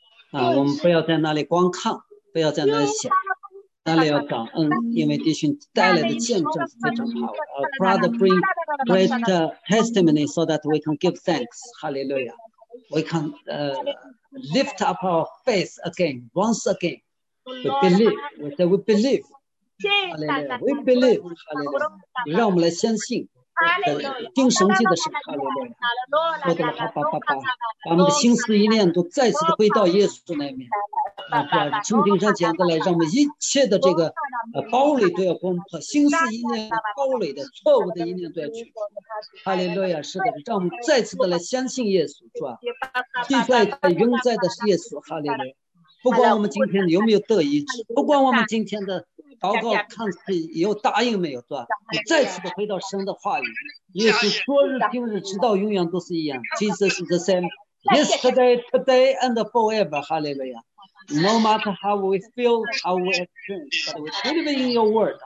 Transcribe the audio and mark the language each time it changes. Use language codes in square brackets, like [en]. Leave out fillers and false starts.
[zh] 我们不要在那里观看，不要在那里想，那里要感恩，因为弟兄带来的见证非常好。 [en] Our brother bring great testimony so that we can give thanks. Hallelujah. We can lift up our faith again, once again. We believe. We say we believe. Hallelujah. We believe. Hallelujah. [zh] 让我们来相信。听神迹的神，哈利路亚，说的好，把我们的心思意念都再次的归到耶稣那边，然后从今天讲的来，让我们一切的这个堡垒都要攻破，心思意念堡垒的错误的意念都要取出，哈利路亚，是的，让我们再次的来相信耶稣，是吧？地在的云在的是耶稣，哈利路亚，不管我们今天有没有得医治，不管我们今天的祷告看是有答应没有，对吧？你再次的回到神的话语，耶稣昨日今日直到永远都是一样。 [en] Jesus is the same yesterday, today, and forever. Hallelujah. No matter how we feel, how we experience, but we believe in your word.